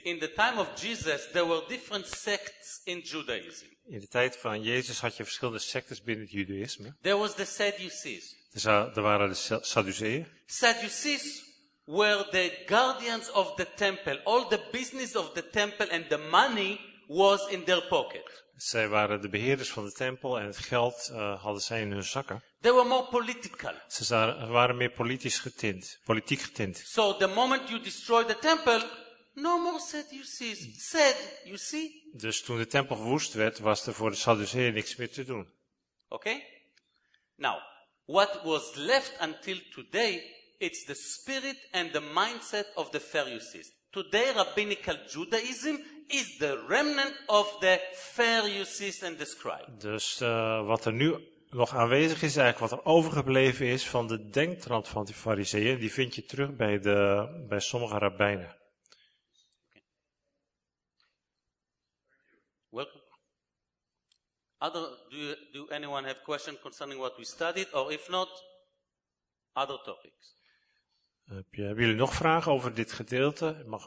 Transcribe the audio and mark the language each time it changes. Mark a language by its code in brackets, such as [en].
[en] In the time of Jesus, there were different sects in Judaism. [nl] In de tijd van Jezus had je verschillende sectes binnen het Judaïsme. [en] There was the Sadducees. [nl] Er waren de Sadduceeën. [en] Sadducees were the guardians of the temple. All the business of the temple and the money was in their pocket. [nl] Zij waren de beheerders van de tempel en het geld hadden zij in hun zakken. [en] They were more political. [nl] Ze waren meer politiek getint. [en] So the moment you destroy the temple, no more Sadducees. Sad, you see? [nl] Dus toen de tempel verwoest werd, was er voor de Sadduceeën niks meer te doen. [en] Okay? Now, what was left until today, it's the spirit and the mindset of the Pharisees. Today, rabbinical Judaism is the remnant of the Pharisees and the scribes. [nl] Dus wat er nu nog aanwezig is, eigenlijk wat er overgebleven is van de denktrand van die fariseeën, die vind je terug bij sommige rabbijnen. [en] Okay. Welcome. Other, do anyone have questions concerning what we studied, or if not, other topics? [nl] Hebben jullie nog vragen over dit gedeelte?